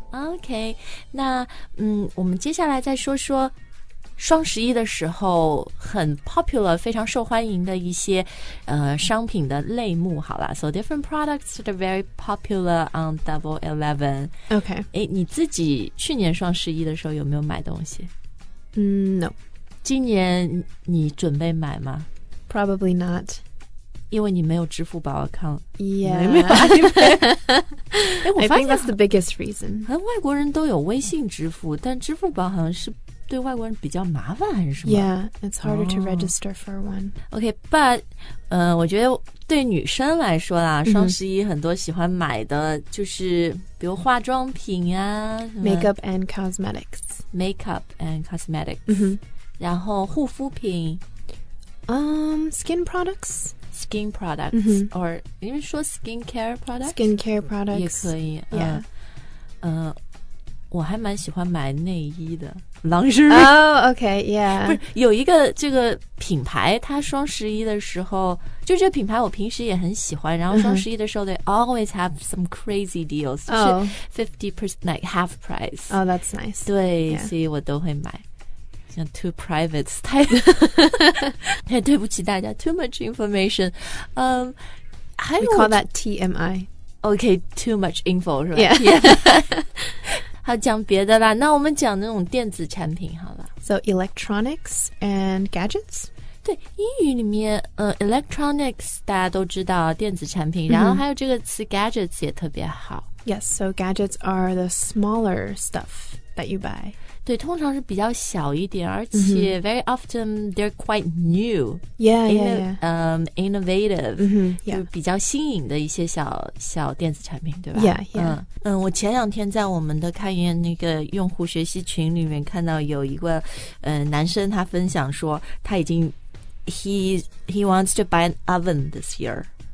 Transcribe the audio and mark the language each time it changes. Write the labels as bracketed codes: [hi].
[zh] Okay, 那我们接下来再说说双十一的时候很 popular 非常受欢迎的一些商品的类目好了 [en] So different products that are very popular on Double Eleven OK [zh] 你自己去年双十一的时候有没有买东西 [en] No [zh] 今年你准备买吗 [en] Probably not [zh] 因为你没有支付宝 account [en] Yeah [zh] 没有 [en] I think that's the biggest reason [zh] 好像外国人都有微信支付但支付宝好像是对外国人比较麻烦还是什么 [en] Yeah, it's harder to register for one. [zh] Okay, but 我觉得对女生来说啦、mm-hmm. 双十一很多喜欢买的就是比如化妆品啊 [en] Makeup and cosmetics. Makeup and cosmetics.、 Mm-hmm. [zh] 然后护肤品 [en] Skin products. Skin products.、 Mm-hmm. [zh] Or 因为说 skincare products? [en] Skincare products. [zh] 也可以。 [en] Yeah. [zh] 我还蛮喜欢买内衣的 Lingerie [en] Oh, okay, yeah [zh] 不是有一个这个品牌它双十一的时候就这个品牌我平时也很喜欢然后双十一的时候、mm-hmm. [en] They always have some crazy deals、oh. 就是 50% like half price Oh, that's nice [zh] 对、yeah. 所以我都会买像 too private 太太对不起大家 [en] too much information、 [zh] 还有 [en] We call that TMI Okay, too much info 是吧 Yeah, yeah. [zh] 好讲别的啦那我们讲那种电子产品好了 [en] So electronics and gadgets [zh] 对英语里面、electronics 大家都知道电子产品、mm-hmm. 然后还有这个词 gadgets 也特别好 [en] Yes, so gadgets are the smaller stuff that you buy [zh] 对通常是比较小一点而且、mm-hmm. [en] very often they're quite new Yeah, innovative、 mm-hmm. yeah. [zh] 就比较新颖的一些小小电子产品对吧 [en] Yeah, yeah、 [zh] 我前两天在我们的开源那个用户学习群里面看到有一个、男生他分享说他已经 [en] he wants to buy an oven this year